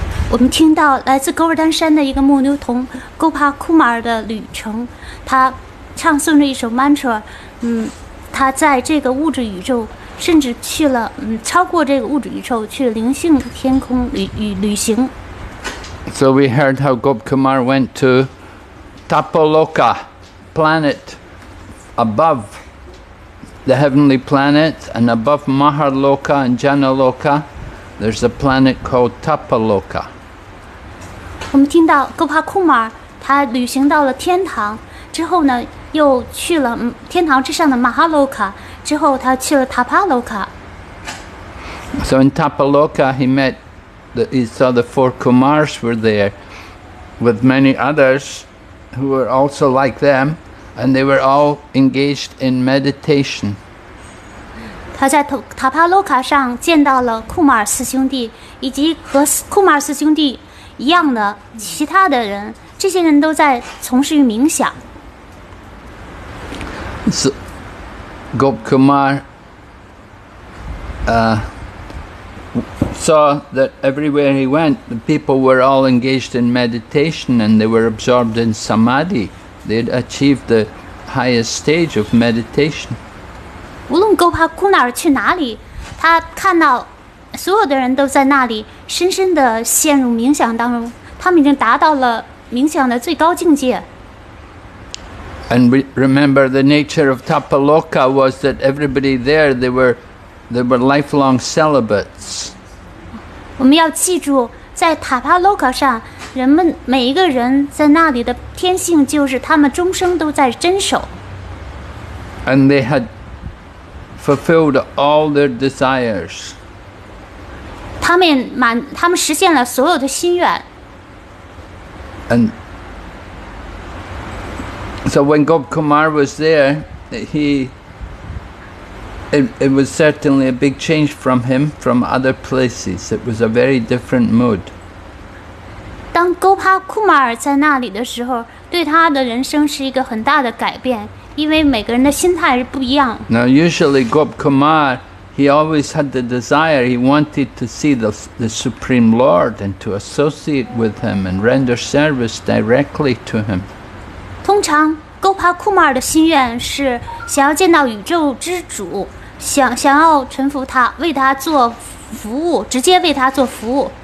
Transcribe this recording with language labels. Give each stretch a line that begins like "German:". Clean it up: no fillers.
Chinese: 我们听到来自勾尔丹山的一个牧牛童勾帕库马尔的旅程，他唱诵着一首 mantra， 他在这个物质宇宙，甚至去了超过这个物质宇宙，去灵性天空旅行。
English: So we heard how Gop Kumar went to Tapoloka, planet above the heavenly planet, and above Maharloka and Janaloka, there's a planet called Tapoloka.
Chinese: 我们听到 Gopa Kumar 他旅行到了天堂之后呢，又去了天堂之上的 Mahaloka， 之后他去了 Tapaloka。
English: So in Tapaloka he saw the four Kumars were there with many others who were also like them, and they were all engaged in meditation.
Chinese: 他在塔帕洛卡上见到了库马尔四兄弟以及和库马尔四兄弟一样的其他的人，这些人都在从事于冥想。
English: So Gop Kumar saw that everywhere he went, the people were all engaged in meditation and they were absorbed in samadhi. They had achieved the highest stage of meditation.
Chinese: 无论 Gopa Kumar 去哪里，他看到所有的人都在那里深深地陷入冥想当中，他们已经达到了冥想的最高境界。
English: And we remember the nature of Tapoloka was that everybody there, they were lifelong celibates.
Chinese: 我们要记住，在塔帕洛卡上，人们每一个人在那里的天性就是他们终生都在遵守。
English: And they had fulfilled all their desires.
Chinese: 他们实现了所有的心愿。
English: And so when Gop Kumar was there, It was certainly a big change from him from other places. It was a very different mood.
Chinese: 当 Gopa Kumar 在那里的时候，对他的人生是一个很大的改变，因为每个人的心态是不一样。
English: Now usually Gop Kumar, he always had the desire, he wanted to see the Supreme Lord and to associate with him and render service directly to him.
Chinese: 通常勾帕库马尔的心愿是想要见到宇宙之主，想要臣服他，为他做服务，直接为他做服务。